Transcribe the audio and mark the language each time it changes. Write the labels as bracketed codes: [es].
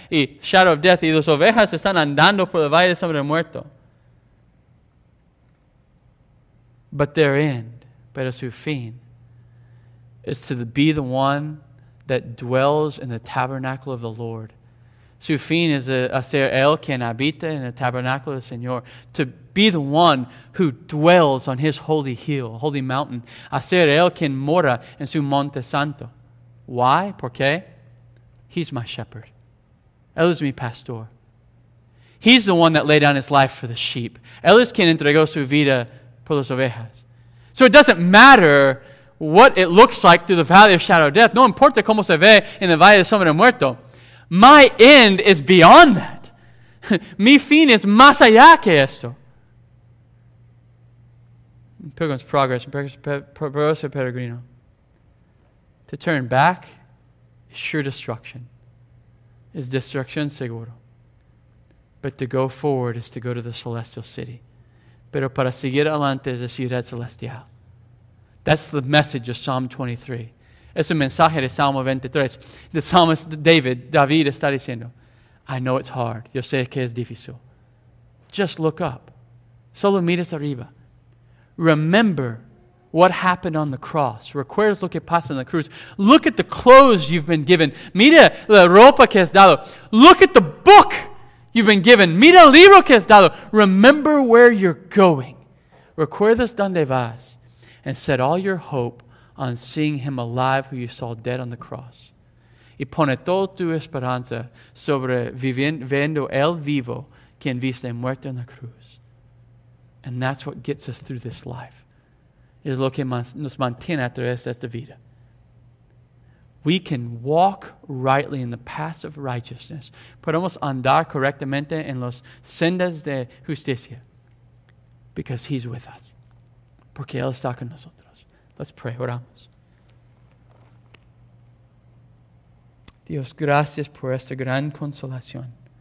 [es] Y [en] shadow of death. [es] Y las ovejas están andando por el valle de sombra de muerto. [en] But their end, [es] pero su fin, [en] is to be the one that dwells in the tabernacle of the Lord. [es] Su fin es a ser el quien habita en el tabernáculo del Señor. [en] To be the one who dwells on his holy hill, holy mountain. [es] A ser el quien mora en su monte santo. [en] Why? [es] ¿Por qué? [en] He's my shepherd. [es] Él es mi pastor. [en] He's the one that laid down his life for the sheep. [es] Él es quien entregó su vida por las ovejas. [en] So it doesn't matter what it looks like through the valley of shadow of death. [es] No importa cómo se ve en el valle de sombra de muerto. [en] My end is beyond that. [es] Mi fin es más allá que esto. [en] Pilgrim's Progress, Progreso Peregrino. To turn back is sure destruction. Is destruction seguro. But to go forward is to go to the celestial city. [es] Pero para seguir adelante es la ciudad celestial. [en] That's the message of Psalm 23. [es] Es un mensaje de Salmo 23. [en] The psalmist David [es] está diciendo, [en] I know it's hard. [es] Yo sé que es difícil. [en] Just look up. [es] Solo miras arriba. [en] Remember what happened on the cross. [es] Recuerdas lo que pasa en la cruz. [en] Look at the clothes you've been given. [es] Mira la ropa que has dado. [en] Look at the book you've been given. [es] Mira el libro que has dado. [en] Remember where you're going. [es] Recuerdas donde vas. [en] And set all your hope on seeing him alive who you saw dead on the cross. [es] Y pone toda tu esperanza sobre viendo el vivo quien viste muerto en la cruz. [en] And that's what gets us through this life. [es] Es lo que nos mantiene a través de esta vida. [en] We can walk rightly in the paths of righteousness. [es] Podemos andar correctamente en las sendas de justicia. [en] Because he's with us. [es] Porque él está con nosotros. [en] Let's pray, [es] oramos. Dios, gracias por esta gran consolación.